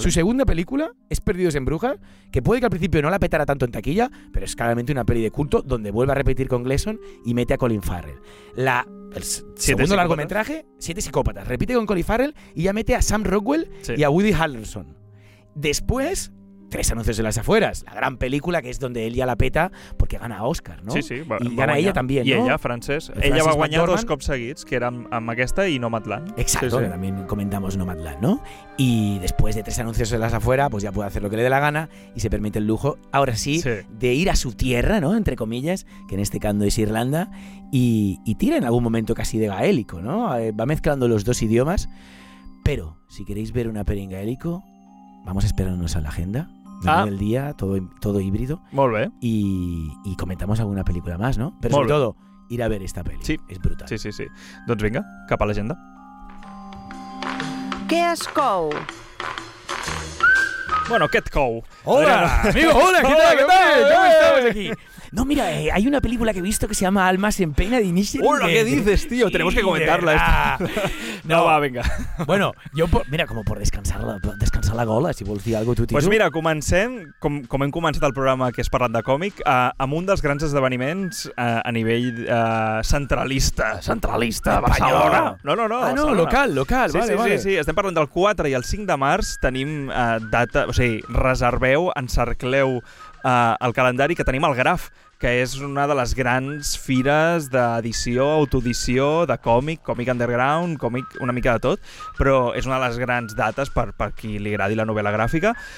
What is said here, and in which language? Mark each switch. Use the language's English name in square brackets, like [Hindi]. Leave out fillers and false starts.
[Spanish] Su segunda película es Perdidos en Brujas, que puede que al principio no la petara tanto en taquilla, pero es claramente una peli de culto donde vuelve a repetir con Gleeson y mete a Colin Farrell. El segundo largometraje, Siete Psicópatas, repite con Colin Farrell y ya mete a Sam Rockwell y a Woody Harrelson. Después, tres anuncios de las afueras, la gran película que es donde él ya la peta porque gana a Oscar, ¿no? Sí, sí, va, y gana ella también, ¿no? Y ella, [Catalan] Frances, ella va a guanyar dos cops seguits, que eren amb aquesta i Nomadland. Exacte, sí, sí. [Spanish] También comentamos Nomadland, ¿no? Y después de tres anuncios de las afueras, pues ya puede hacer lo que le dé la gana y se permite el lujo, ahora sí, de ir a su tierra, ¿no? Entre comillas, que en este caso es Irlanda, y tira en algún momento casi de gaélico, ¿no? Va mezclando los dos idiomas, pero si queréis ver una peli en gaélico, vamos a esperarnos a la agenda. Del día, todo híbrido. Muy bien. Y comentamos alguna película más, ¿no? Pero sobre todo, ir a ver esta peli. Sí. Es brutal. [Catalan] Sí, sí, sí. Doncs vinga, cap a l'agenda. Què es cou? Bueno, què et cou? [Spanish] Hola, amigo, hola, ¿qué tal? ¿Cómo estamos aquí? No, mira, hay una película que he visto que se llama Almas en Pena de Inisherin. ¡Hola! ¿Qué dices, tío? Sí, tenemos que comentarla. No, va, venga. Bueno, yo, mira, como por descansar la gola, [Catalan] si vols dir algo tu, tio. Pues mira, comencem, com hem començat el programa que és parlant de còmic, amb un dels grans esdeveniments a nivell centralista. Centralista, Barcelona. No. Ah, no, local, sí, vale. Sí, vale. Sí, sí, estem parlant del 4 i el 5 de març. Tenim data, o sigui, reserveu, encercleu el calendari, que tenim el Graf, que és una de les grans fires d'edició, autoedició, de còmic, còmic underground, còmic una mica de tot, però és una de les grans dates per qui li agradi la novel·la gràfica.